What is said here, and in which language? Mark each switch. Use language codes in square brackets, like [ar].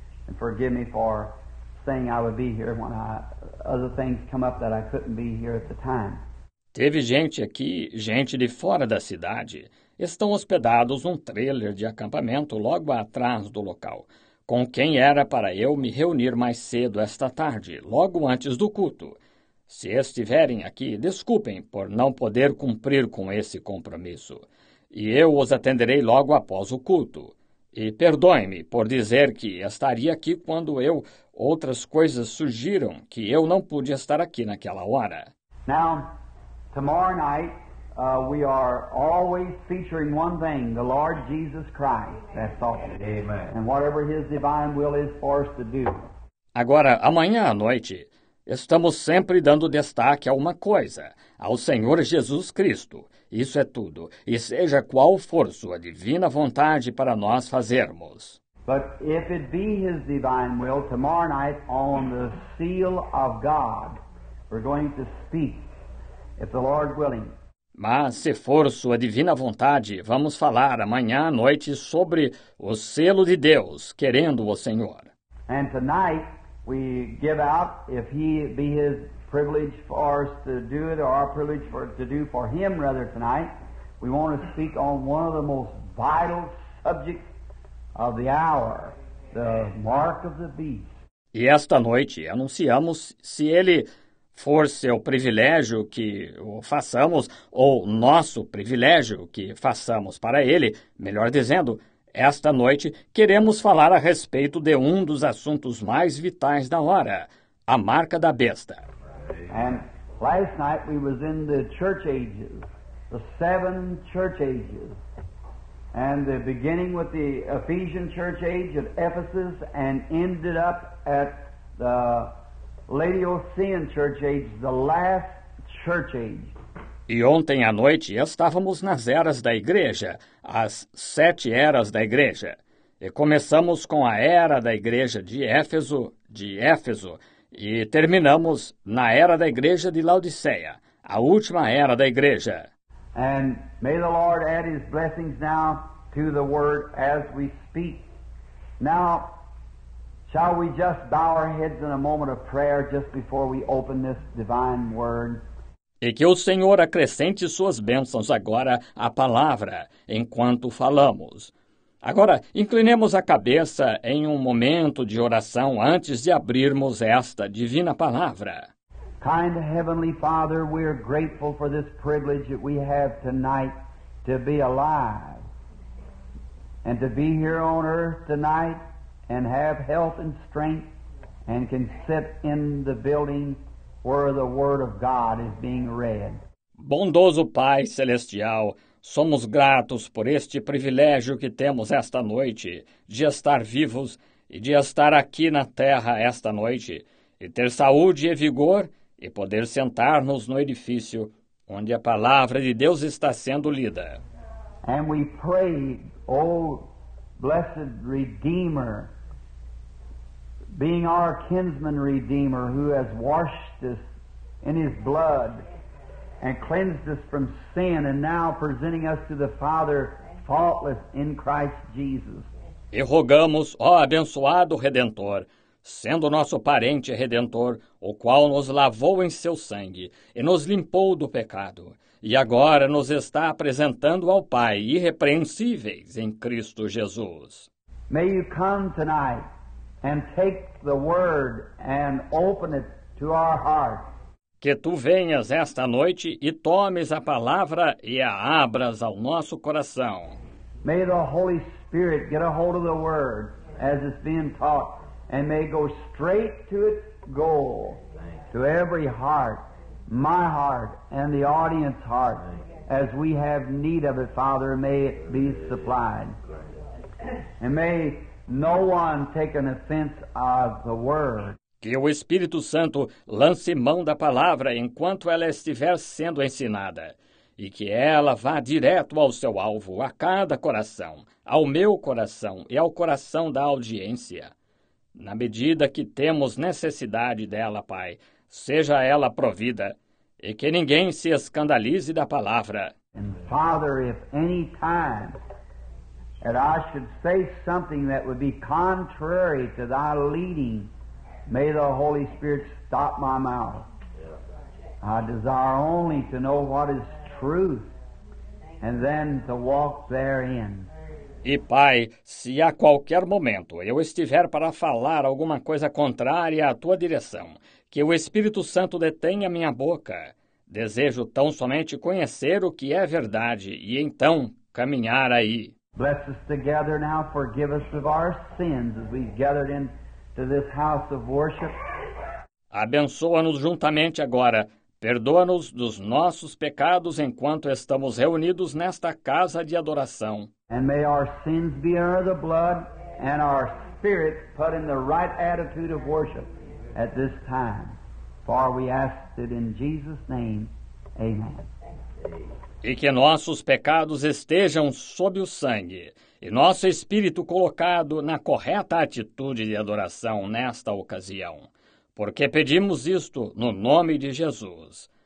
[en] And forgive me for saying I would be here when other things come up that I couldn't be here at the time. [pt] Teve gente aqui, gente de fora da cidade. Estão hospedados num trailer de acampamento logo atrás do local, com quem era para eu me reunir mais cedo esta tarde, logo antes do culto. Se estiverem aqui, desculpem por não poder cumprir com esse compromisso. E eu os atenderei logo após o culto. E perdoe-me por dizer que estaria aqui quando outras coisas surgiram que eu não pude estar aqui naquela hora. [en] Now, tomorrow night, we are always featuring one thing, the Lord Jesus Christ. That's all. Amen. And whatever His divine will is for us to do. [pt] Agora, amanhã à noite, estamos sempre dando destaque a uma coisa, ao Senhor Jesus Cristo. Isso é tudo, e seja qual for sua divina vontade para nós fazermos. [en] But if it be His divine will, tomorrow night on the seal of God, we're going to speak, if the Lord willing. [pt] Mas se for sua divina vontade, vamos falar amanhã à noite sobre o selo de Deus, querendo o Senhor. [en] And tonight, we give out, if He be His privilege for us to do it, or our privilege to do for Him rather tonight, we want to speak on one of the most vital subjects of the hour, the mark of the beast. [pt] E esta noite anunciamos, se Ele for seu privilégio que o façamos, ou nosso privilégio que façamos para Ele, melhor dizendo, esta noite, queremos falar a respeito de um dos assuntos mais vitais da hora, a marca da besta. [en] And last night we was in the church ages, the seven church ages, and the beginning with the Ephesian church age at Ephesus and ended up at the Laodicean Church Age, the last church age. [pt] E ontem à noite estávamos nas eras da igreja, as sete eras da igreja. E começamos com a era da igreja de Éfeso, e terminamos na era da igreja de Laodiceia, a última era da igreja. [en] And may the Lord add his blessings now to the word as we speak. Now, shall we just bow our heads in a moment of prayer just before we open this divine word? [pt] E que o Senhor acrescente suas bênçãos agora à palavra, enquanto falamos. Agora, inclinemos a cabeça em um momento de oração antes de abrirmos esta divina palavra. [en] Kind Heavenly Father, we are grateful for this privilege that we have tonight to be alive and to be here on earth tonight and have health and strength and can sit in the building where the Word of God is being read. [pt] Bondoso Pai Celestial, somos gratos por este privilégio que temos esta noite de estar vivos e de estar aqui na terra esta noite e ter saúde e vigor e poder sentar-nos no edifício onde a palavra de Deus está sendo lida. [en] And we pray, O blessed Redeemer, being our kinsman Redeemer who has washed us in his blood and cleansed us from sin and now presenting us to the Father faultless in Christ Jesus. [pt] E rogamos, ó abençoado Redentor, sendo nosso parente Redentor, o qual nos lavou em seu sangue e nos limpou do pecado, e agora nos está apresentando ao Pai irrepreensíveis em Cristo Jesus. [en] May you come tonight and take the word and open it to our hearts. [pt] Que tu venhas esta noite e tomes a palavra e a abras ao nosso coração. [en] May the Holy Spirit get a hold of the word as it's being taught and may go straight to its goal, to every heart, my heart and the audience's heart, as we have need of it, Father, may it be supplied. And may no one take an offense of the word. [pt] Que o Espírito Santo lance mão da palavra enquanto ela estiver sendo ensinada, e que ela vá direto ao seu alvo, a cada coração, ao meu coração e ao coração da audiência. Na medida que temos necessidade dela, Pai, seja ela provida, e que ninguém se escandalize da palavra. [en] And Father, if any time that I should say something that would be contrary to thy leading, may the Holy Spirit stop my mouth. I desire only to know what is truth and then to walk therein. [pt] E, Pai, se a qualquer momento eu estiver para falar alguma coisa contrária à tua direção, que o Espírito Santo detenha minha boca. Desejo tão somente conhecer o que é verdade e então caminhar aí. [en] Bless us together now, forgive us of our sins as we've gathered in to this house of worship. [pt] Abençoa-nos juntamente agora. Perdoa-nos dos nossos pecados enquanto estamos reunidos nesta casa de adoração. [en] And may our sins be under the blood and our spirits put in the right attitude of worship at this time. For we ask it in Jesus' name. Amen. [pt] E que nossos pecados estejam sob o sangue e nosso espírito colocado na correta atitude de adoração nesta ocasião. Porque pedimos isto no nome de Jesus.